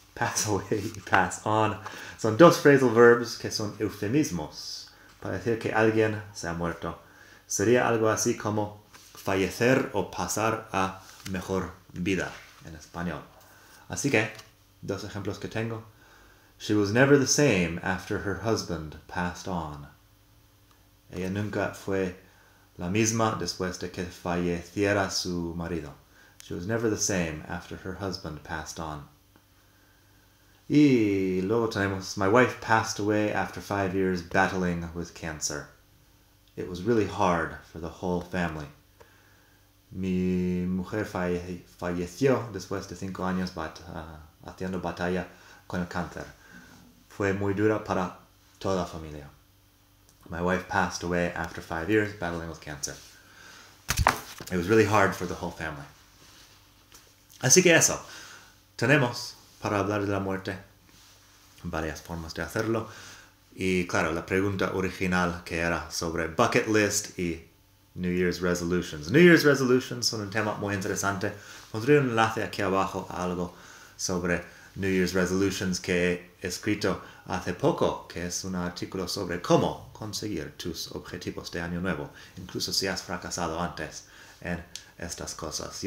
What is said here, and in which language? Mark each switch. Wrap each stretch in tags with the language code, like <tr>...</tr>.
<es>Pass Away y Pass On son dos phrasal verbs que son eufemismos para decir que alguien se ha muerto. Sería algo así como fallecer o pasar a mejor vida en español. Así que, dos ejemplos que tengo.</es> <en>She was never the same after her husband passed on.</en> <es>Ella nunca fue la misma después de que falleciera su marido.</es> <en>She was never the same after her husband passed on.</en> <es>Y luego tenemos,</es> <en>my wife passed away after 5 years battling with cancer. It was really hard for the whole family.</en> <es>Mi mujer falleció después de 5 años haciendo batalla con el cáncer. Fue muy dura para toda la familia.</es> <en>My wife passed away after 5 years battling with cancer. It was really hard for the whole family.</en> <es>Así que eso. Tenemos para hablar de la muerte varias formas de hacerlo. Y claro, la pregunta original que era sobre bucket list y New Year's resolutions. New Year's resolutions son un tema muy interesante. Pondré un enlace aquí abajo a algo sobre New Year's resolutions que he escrito hace poco, que es un artículo sobre cómo conseguir tus objetivos de año nuevo, incluso si has fracasado antes en estas cosas.</es>